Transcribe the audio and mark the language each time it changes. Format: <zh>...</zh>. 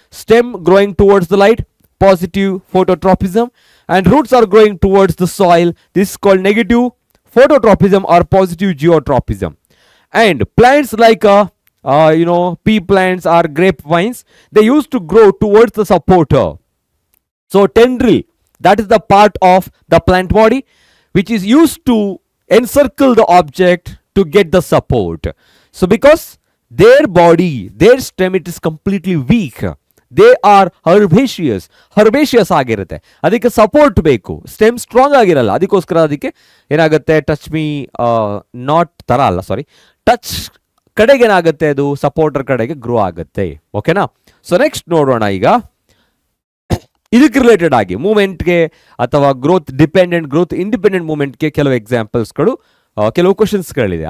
<en>Stem growing towards the light, positive phototropism. And roots are growing towards the soil, this called negative phototropism or positive geotropism. And plants like you know pea plants or grape vines, they use to grow towards the supporter. So tendril, that is the part of the plant body which is used to encircle the object to get the support. So because their body, their stem, it is completely weak, they are herbaceous,</en> <kn>ಹರ್ಬೇಷಿಯಸ್ ಆಗಿರುತ್ತೆ. ಅದಕ್ಕೆ support ಬೇಕು, stem strong ಆಗಿರಲ್ಲ. ಅದಕ್ಕೋಸ್ಕರ ಅದಕ್ಕೆ ಏನಾಗುತ್ತೆ, touch me not ಥರ ಅಲ್ಲ, ಸಾರಿ, touch ಕಡೆಗೆ ಏನಾಗುತ್ತೆ, ಅದು ಸಪೋರ್ಟರ್ ಕಡೆಗೆ ಗ್ರೋ ಆಗುತ್ತೆ. ಓಕೆನಾ? ಸೊ ನೆಕ್ಸ್ಟ್ ನೋಡೋಣ ಈಗ ಇದಕ್ಕೆ ರಿಲೇಟೆಡ್ ಆಗಿ ಮೂಮೆಂಟ್ಗೆ ಅಥವಾ ಗ್ರೋತ್ ಡಿಪೆಂಡೆಂಟ್ ಗ್ರೋತ್ ಇಂಡಿಪೆಂಡೆಂಟ್ ಮೂಮೆಂಟ್ಗೆ ಕೆಲವು ಎಕ್ಸಾಂಪಲ್ಸ್ಗಳು, ಕೆಲವು ಕ್ವಶನ್ಸ್ಗಳಿದೆ.</kn>